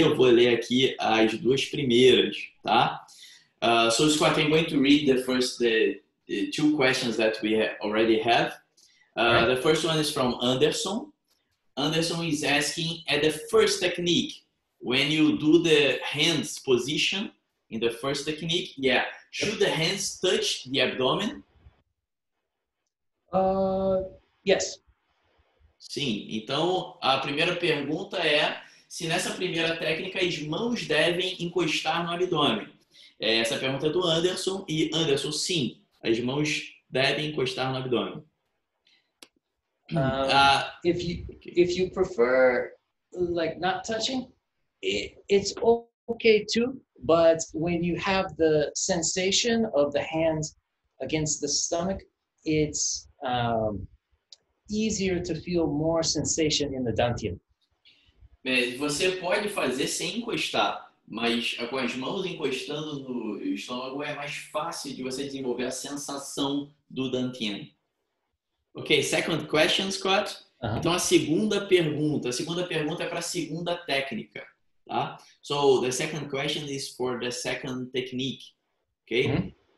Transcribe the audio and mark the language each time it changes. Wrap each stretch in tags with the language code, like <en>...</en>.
<pt>Eu vou ler aqui as duas primeiras, tá?</pt> <en>So Scott, I'm going to read the two questions that we already have. Right. The first one is from Anderson. Anderson is asking, at the first technique, when you do the hands position in the first technique, yeah, should the hands touch the abdomen? Yes.</en> <pt>Sim, então a primeira pergunta é se nessa primeira técnica as mãos devem encostar no abdômen. Essa pergunta é do Anderson, e Anderson, sim, as mãos devem encostar no abdômen.</pt> <en>If you prefer, like, not touching, it's okay too, but when you have the sensation of the hands against the stomach, it's easier to feel more sensation in the dantian.</en> <pt>Você pode fazer sem encostar. Mas com as mãos encostando no estômago é mais fácil de você desenvolver a sensação do dantian.</pt> <en>Ok, second question, Scott.</en> <pt>Uh-huh. Então a segunda pergunta. A segunda pergunta é para a segunda técnica. Tá?</pt> <en>So the second question is for the second technique. Ok?</en>